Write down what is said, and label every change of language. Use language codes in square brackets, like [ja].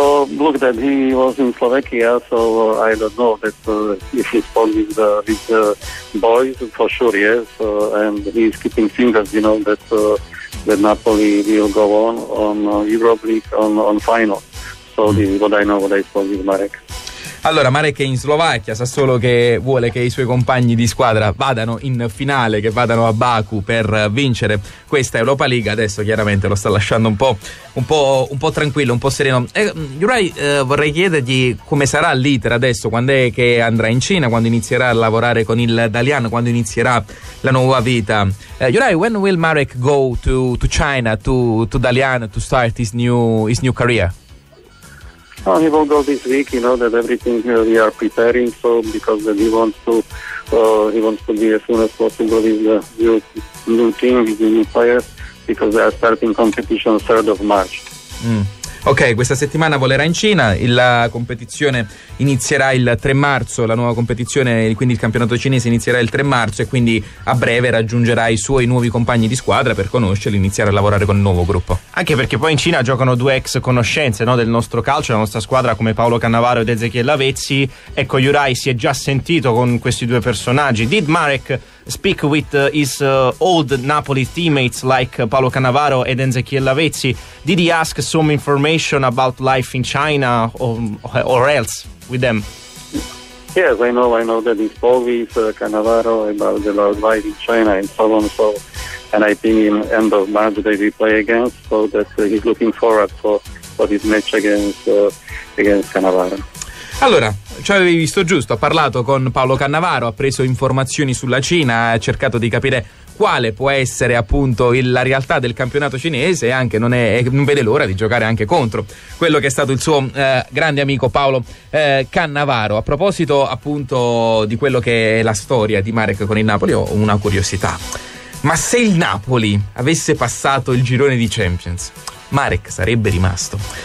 [en] Look, that he was in Slovakia, so I don't know that if he's following with boys, for sure, yes, and he's keeping fingers, you know, that that Napoli will go on Europa League, on final, so this is what I know, what I saw with Marek. [it] Allora, Marek è in Slovacchia, sa solo che vuole che i suoi compagni di squadra vadano in finale, che vadano a Baku per vincere questa Europa League. Adesso chiaramente lo sta lasciando un po' tranquillo, un po' sereno. Juraj, vorrei chiedergli come sarà l'iter adesso, quando è che andrà in Cina, quando inizierà a lavorare con il Dalian, quando inizierà la nuova vita. [en] Juraj, when will Marek go to China, to Dalian, to start his new career? Oh, he will go this week, you know, that everything we are preparing, so because that he wants to be as soon as possible with the new team, with the new players, because they are starting competition 3rd of March. [it] Ok, questa settimana volerà in Cina, la competizione inizierà il 3 marzo, la nuova competizione, quindi il campionato cinese inizierà il 3 marzo, e quindi a breve raggiungerà i suoi nuovi compagni di squadra per conoscerli, iniziare a lavorare con il nuovo gruppo. Anche perché poi in Cina giocano due ex conoscenze, no, del nostro calcio, la nostra squadra, come Paolo Cannavaro ed Ezequiel Lavezzi. Ecco, Juraj si è già sentito con questi due personaggi. [en] Did Marek speak with his old Napoli teammates like Paolo Cannavaro and Ezequiel Lavezzi? Did he ask some information about life in China or else with them? Yes, I know that he spoke with Cannavaro about the life in China and so on. So, and I think in end of March they will play again, so that he's looking forward for his match against Cannavaro. [it] Allora, ci avevi visto giusto, ha parlato con Paolo Cannavaro, ha preso informazioni sulla Cina, ha cercato di capire quale può essere appunto la realtà del campionato cinese, e anche non vede l'ora di giocare anche contro quello che è stato il suo grande amico Paolo Cannavaro. A proposito appunto di quello che è la storia di Marek con il Napoli, ho una curiosità: ma se il Napoli avesse passato il girone di Champions, Marek sarebbe rimasto?